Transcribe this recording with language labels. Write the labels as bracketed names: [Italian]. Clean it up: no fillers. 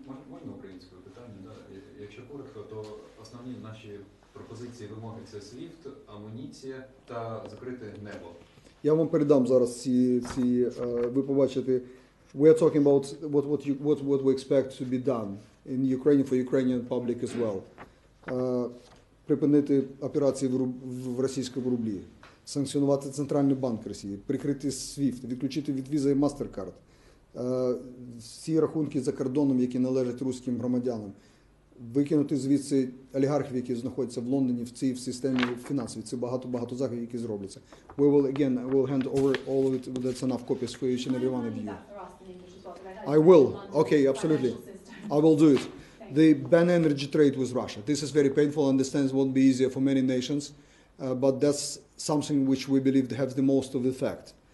[Ukrainian] Моє українське питання, да. Якщо коротко, то основні наші пропозиції, вимоги – це свіфт, амуніція та закрите небо. Я вам передам зараз ці ви побачите. [English] We are talking about what we expect to be done in Ukraine for Ukrainian public as well. [Ukrainian] Припинити операції в російському рублі, санкціонувати Центральний банк Росії, прикрити SWIFT, відключити від Visa і MasterCard, всі рахунки за кордоном, які належать російським громадянам, викинути звідси олігархів, які знаходяться в Лондоні, в цій системі фінансовій. Це багато заходів, які зробляться. [English] We will again, we'll hand over all of it, that's enough copies for each and every one of you. I will, okay, absolutely. I will do it. The ban energy trade with Russia. This is very painful, and it won't be easier for many nations, but that's something which we believe has the most of effect.